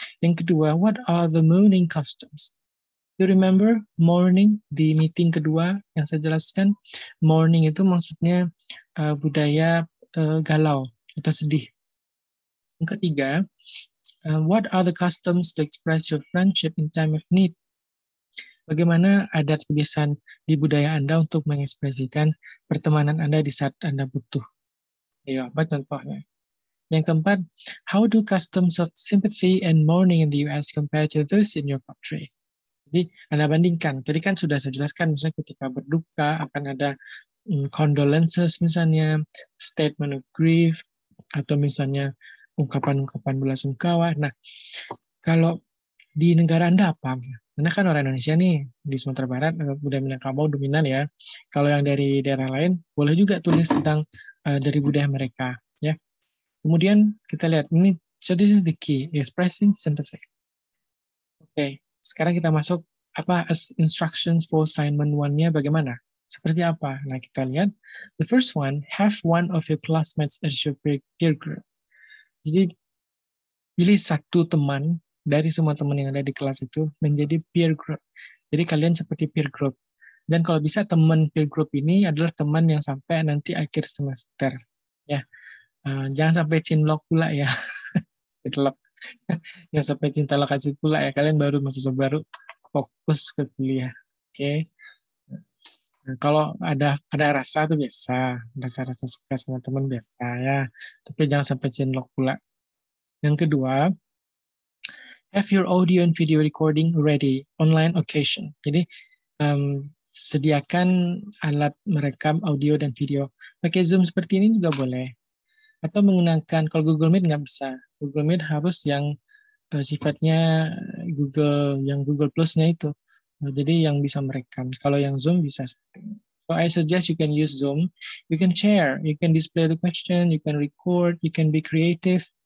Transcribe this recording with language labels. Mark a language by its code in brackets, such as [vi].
[en] Yang kedua, what are the mourning customs? You remember mourning di meeting kedua yang saya jelaskan? [id] Mourning itu maksudnya budaya galau atau sedih. [en] Yang ketiga, what are the customs to express your friendship in time of need? [id] Bagaimana adat kebiasaan di budaya Anda untuk mengekspresikan pertemanan Anda di saat Anda butuh? Ya, apa contohnya? [en] Yang keempat, how do customs of sympathy and mourning in the US compare to those in your country? [id] Jadi Anda bandingkan, tadi kan sudah saya jelaskan, misalnya ketika berduka akan ada condolences misalnya, statement of grief, atau misalnya ungkapan-ungkapan bela sungkawa. Nah, kalau di negara Anda apa? Anda kan orang Indonesia nih, di Sumatera Barat, budaya Minangkabau dominan ya. Kalau yang dari daerah lain, boleh juga tulis tentang dari budaya mereka. Ya. [en] Kemudian kita lihat, ini, so this is the key, expressing sympathy. Okay. [id] Sekarang kita masuk, apa instruction for assignment one-nya bagaimana? Seperti apa? Nah, kita lihat. [en] The first one, have one of your classmates as your peer group. [id] Jadi, pilih satu teman dari semua teman yang ada di kelas itu menjadi peer group. Jadi, kalian seperti peer group. Dan kalau bisa, teman peer group ini adalah teman yang sampai nanti akhir semester. Ya. Jangan sampai cinlok pula ya. Cinlok. Ya sampai cinta lokasi pula ya, kalian baru mahasiswa baru fokus ke kuliah. Oke. Okay. Nah, kalau ada rasa itu biasa, rasa-rasa suka sama teman biasa ya. Tapi jangan sampai cinlok pula. [en] Yang kedua, have your audio and video recording ready online occasion. [id] Jadi sediakan alat merekam audio dan video. Pakai Zoom seperti ini juga boleh. Atau menggunakan, kalau Google Meet nggak bisa. Google Meet harus yang sifatnya Google, yang Google Plus-nya itu. Nah, jadi yang bisa merekam. [en] Kalau yang Zoom bisa. So I suggest you can use Zoom. You can share, you can display the question, you can record, you can be creative.